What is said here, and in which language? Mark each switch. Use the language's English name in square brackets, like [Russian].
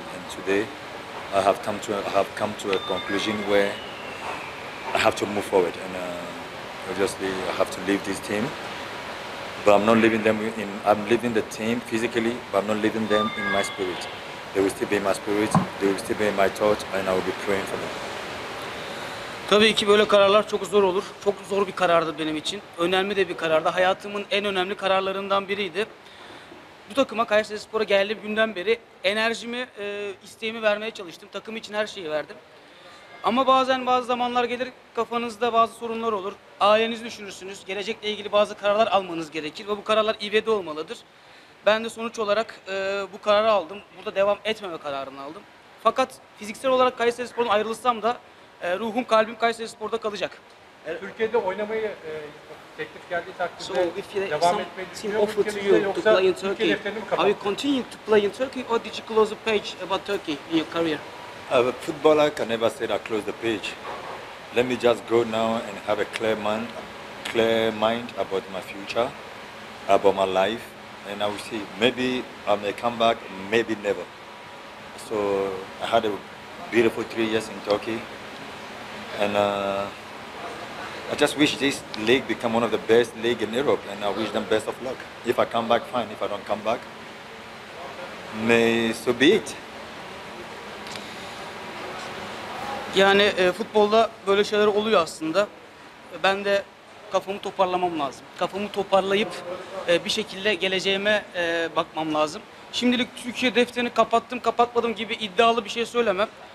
[English] And today, I have come to a conclusion where I have to move forward, and obviously, I have to leave this team. But I'm not leaving them. I'm leaving the team physically, but I'm not leaving them in my spirit. They will still be in my spirit. They will still be in my thoughts, and I will be praying for them. [Turkish] Tabii ki böyle kararlar çok zor olur. Çok zor bir karardı benim için. Önemli de bir karardı. Hayatımın en önemli kararlarından biriydi. Bu takıma Kayserispor'a geldiğim günden beri enerjimi, isteğimi vermeye çalıştım. Takım için her şeyi verdim. Ama bazen bazı zamanlar gelir, kafanızda bazı sorunlar olur. Ailenizi düşünürsünüz. Gelecekle ilgili bazı kararlar almanız gerekir ve bu kararlar ivede olmalıdır. Ben de sonuç olarak bu kararı aldım. Burada devam etmeme kararını aldım. Fakat fiziksel olarak Kayserispor'dan ayrılsam da ruhum, kalbim Kayserispor'da kalacak. Türkiye'de oynamayı teklif geldiği takdirde [English] so if you, [Turkish] devam etmediğini düşünüyor musun? [English] Yoksa to play in Turkey. Are you continuing to play in Turkey or did you close the page about Turkey in your career? As a footballer, I can never say I close the page. Let me just go now and have a clear mind about my future, about my life, and I will see. Maybe I may come back, maybe never. So I had a beautiful 3 years in Turkey. And I just wish this league become one of the best league in Europe, and I wish them best of luck. If I come back, fine. If I don't come back, may so be it. [Turkish] Yani futbolda böyle şeyler oluyor aslında. Ben de kafamı toparlamam lazım. Kafamı toparlayıp bir şekilde geleceğime bakmam lazım. Şimdilik Türkiye defterini kapattım, kapatmadım gibi iddialı bir şey söylemem.